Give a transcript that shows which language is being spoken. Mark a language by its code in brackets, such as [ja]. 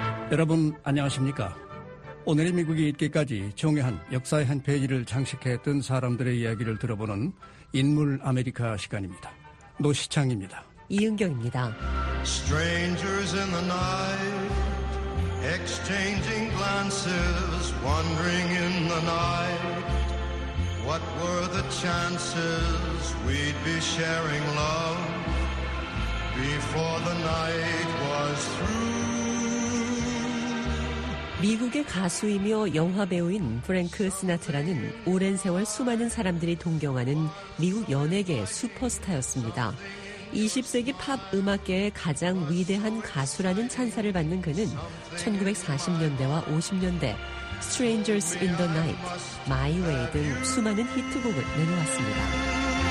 [ko] 여러분 안녕하십니까. 오늘의 미국이 있기까지 종의 한 역사의 한 페이지를 장식했던 사람들의 이야기를 들어보는 인물 아메리카 시간입니다. 노시창입니다. 이은경입니다. [en] Strangers in the night exchanging glances wandering in the night what were the chances we'd be sharing love before the night was through [ko] 미국의 가수이며 영화배우인 프랭크 시나트라는 오랜 세월 수많은 사람들이 동경하는 미국 연예계의 슈퍼스타였습니다. 20세기 팝 음악계의 가장 위대한 가수라는 찬사를 받는 그는 1940년대와 50년대 Strangers in the Night, My Way 등 수많은 히트곡을 내놓았습니다.